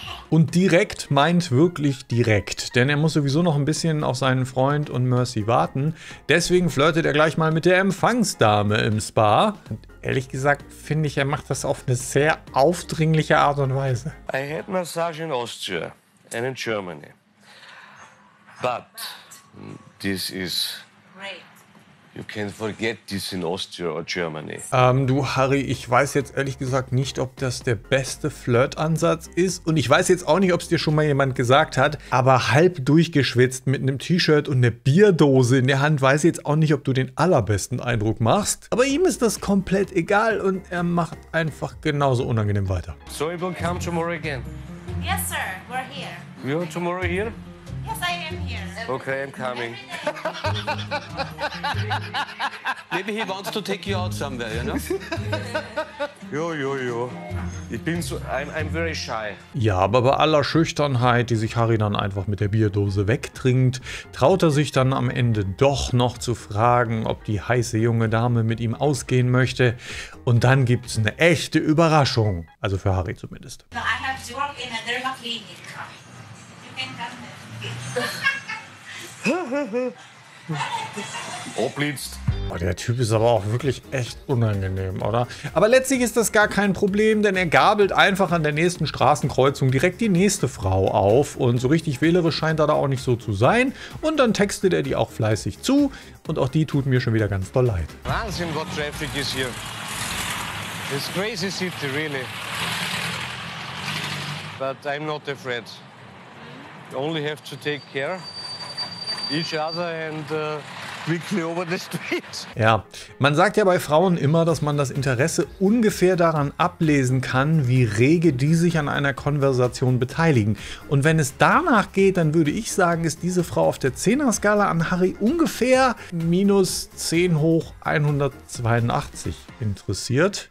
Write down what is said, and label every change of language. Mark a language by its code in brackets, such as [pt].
[de] Und direkt meint wirklich direkt, denn er muss sowieso noch ein bisschen auf seinen Freund und Mercy warten. Deswegen flirtet er gleich mal mit der Empfangsdame im Spa. Und ehrlich gesagt finde ich, er macht das auf eine sehr aufdringliche Art und Weise. [en] I had massage in Austria and in Germany. But this is... You can't forget this in Austria or Germany. [de] Du Harry, ich weiß jetzt ehrlich gesagt nicht, ob das der beste Flirtansatz ist. Und ich weiß jetzt auch nicht, ob es dir schon mal jemand gesagt hat. Aber halb durchgeschwitzt mit einem T-Shirt und einer Bierdose in der Hand, weiß ich jetzt auch nicht, ob du den allerbesten Eindruck machst. Aber ihm ist das komplett egal und er macht einfach genauso unangenehm weiter. [en] So, you will come tomorrow again. Yes, sir. We're here. You're tomorrow here? Yes, I am here. Okay, I'm coming. Maybe he wants to take you out somewhere, you know? Jo. I'm very shy. [de] Ja, aber bei aller Schüchternheit, die sich Harry dann einfach mit der Bierdose wegtrinkt, traut er sich dann am Ende doch noch zu fragen, ob die heiße junge Dame mit ihm ausgehen möchte. Und dann gibt's eine echte Überraschung. Also für Harry zumindest. [en] So I have to work in a dermaklinik. You can come. Obblitzt. [de] Oh, der Typ ist aber auch wirklich echt unangenehm, oder? Aber letztlich ist das gar kein Problem, denn er gabelt einfach an der nächsten Straßenkreuzung direkt die nächste Frau auf und so richtig wählerisch scheint er da auch nicht so zu sein und dann textet er die auch fleißig zu und auch die tut mir schon wieder ganz doll leid. [en] Wahnsinn, what traffic is here. It's crazy city, really. But I'm not afraid. Only have to take care each other and quickly over the street. [de] Ja, man sagt ja bei Frauen immer, dass man das Interesse ungefähr daran ablesen kann, wie rege die sich an einer Konversation beteiligen. Und wenn es danach geht, dann würde ich sagen, ist diese Frau auf der 10er-Skala an Harry ungefähr minus 10 hoch 182 interessiert.